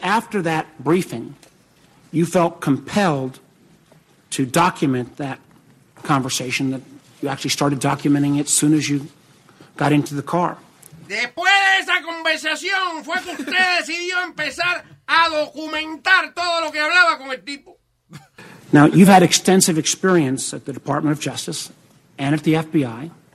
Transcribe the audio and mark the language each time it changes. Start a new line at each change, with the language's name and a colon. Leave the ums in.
English: after that briefing, you felt compelled to document that conversation that you actually started documenting it as soon as you got into the car.
Spanish: Después de esa conversación fue que usted decidió empezar a documentar todo lo que hablaba con el tipo.
English: Now, you've had extensive experience at the Department of Justice and at the FBI.